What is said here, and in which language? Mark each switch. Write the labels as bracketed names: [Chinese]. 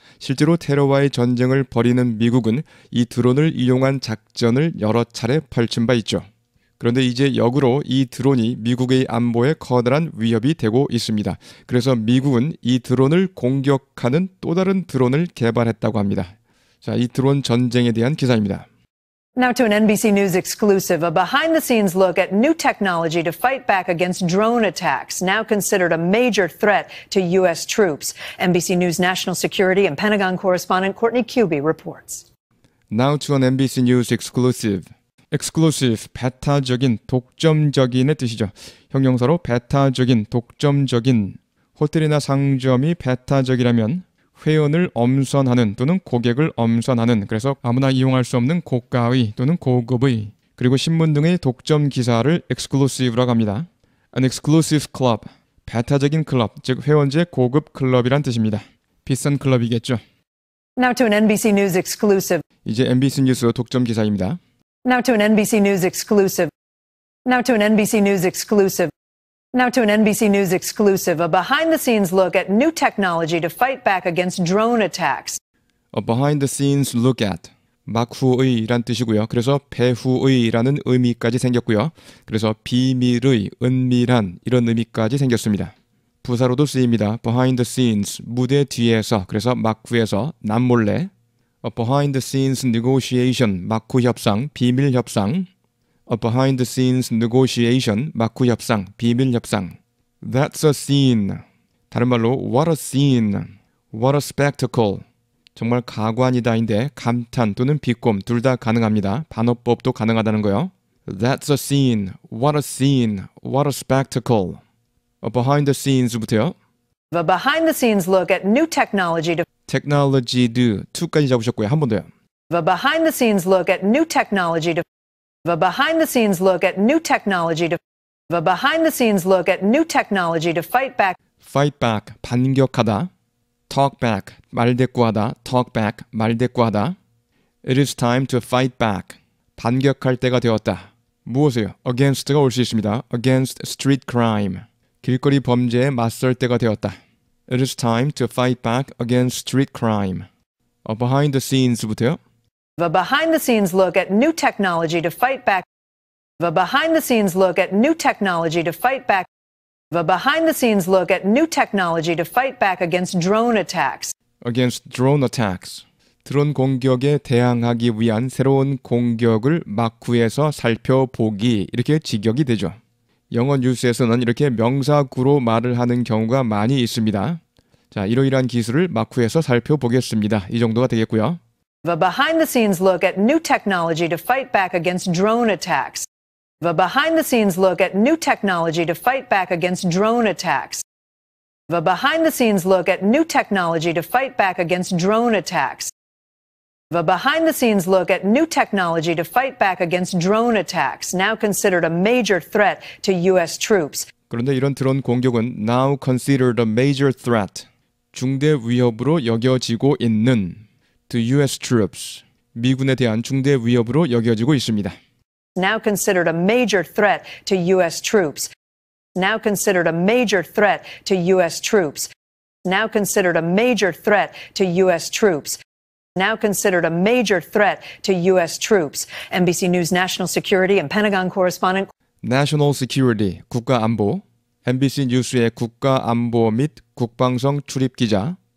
[Korean] 실제로 테러와의 전쟁을 벌이는 미국은 이 드론을 이용한 작전을 여러 차례 펼친 바 있죠. 그런데 이제 역으로 이 드론이 미국의 안보에 커다란 위협이 되고 있습니다. 그래서 미국은 이 드론을 공격하는 또 다른 드론을 개발했다고 합니다. 자, 이 드론 전쟁에 대한 기사입니다. [English] Now to an NBC News exclusive, a behind-the-scenes look at new technology to fight back against drone attacks, now considered a major threat to U.S. troops. NBC News National Security and Pentagon correspondent Courtney Kuby reports. Now to an NBC News exclusive. Exclusive, [Korean] 배타적인, 독점적인의 뜻이죠. 형용사로 배타적인, 독점적인. 호텔이나 상점이 배타적이라면 회원을 엄선하는 또는 고객을 엄선하는, 그래서 아무나 이용할 수 없는 고가의 또는 고급의, 그리고 신문 등의 독점 기사를 exclusive라고 합니다. [English] An exclusive club, [Korean] 배타적인 클럽, 즉 회원제 고급 클럽이란 뜻입니다. 비싼 클럽이겠죠. [English] Now to an NBC News exclusive. [Korean] 이제 NBC 뉴스 독점 기사입니다. [English] Now to an NBC News exclusive. Now to an NBC News exclusive. Now to an NBC News exclusive, a behind-the-scenes look at new technology to fight back against drone attacks. A behind-the-scenes look at, [Korean] 막후의란 뜻이고요. 그래서 배후의라는 의미까지 생겼고요. 그래서 비밀의, 은밀한 이런 의미까지 생겼습니다. 부사로도 쓰입니다. [English] Behind-the-scenes, [Korean] 무대 뒤에서, 그래서 막후에서, 남몰래. [English] A behind-the-scenes negotiation, [Korean] 막후 협상, 비밀 협상. [English] A behind-the-scenes negotiation, [Korean] 막후 협상, 비밀 협상. [English] That's a scene. [Korean] 다른 말로 [English] what a scene, what a spectacle. [Korean] 정말 가관이다인데 감탄 또는 비꼼 둘 다 가능합니다. 반어법도 가능하다는 거요. [English] That's a scene, what a scene, what a spectacle. A behind-the-scenes [Korean] 부터요. [English] A behind-the-scenes look at new technology to... Technology do, to [Korean] 까지 잡으셨고요. 한 번 더요. [English] A behind-the-scenes look at new technology to... A behind-the-scenes look at new technology to... A behind-the-scenes look at new technology to fight back... Fight back, [Korean] 반격하다. [English] Talk back, [Korean] 말대꾸하다. [English] Talk back, [Korean] 말대꾸하다. [English] It is time to fight back. [Korean] 반격할 때가 되었다. 무엇이요? Against가 올 수 있습니다. [English] Against street crime. [Korean] 길거리 범죄에 맞설 때가 되었다. [English] It is time to fight back against street crime. A behind-the-scenes [Korean] 부터요. [English] A behind-the-scenes look at new technology to fight back. A behind-the-scenes look at new technology to fight back. A behind-the-scenes look at new technology to fight back against drone attacks. Against drone attacks. [Korean] 드론 공격에 대항하기 위한 새로운 공격을 막후에서 살펴보기. 이렇게 직역이 되죠. 영어 뉴스에서는 이렇게 명사구로 말을 하는 경우가 많이 있습니다. 자, 이러이러한 기술을 막후에서 살펴보겠습니다. 이 정도가 되겠고요. [English] A behind-the-scenes look at new technology to fight back against drone attacks. A behind-the-scenes look at new technology to fight back against drone attacks. A behind-the-scenes look at new technology to fight back against drone attacks. A behind-the-scenes look at new technology to fight back against drone attacks, now considered a major threat to U.S. troops. [Korean] 그런데 이런 드론 공격은 [English] now considered a major threat, [Korean] 중대 위협으로 여겨지고 있는, [English] to U.S. troops, [Korean] 미군에 대한 중대 위협으로 여겨지고 있습니다. [English] Now considered a major threat to U.S. troops. Now considered a major threat to U.S. troops. Now considered a major threat to U.S. troops. Now considered a major threat to U.S. troops. NBC News National Security and Pentagon correspondent. National Security, [Korean] 국가안보. NBC News의 국가안보 및 국방성 출입기자.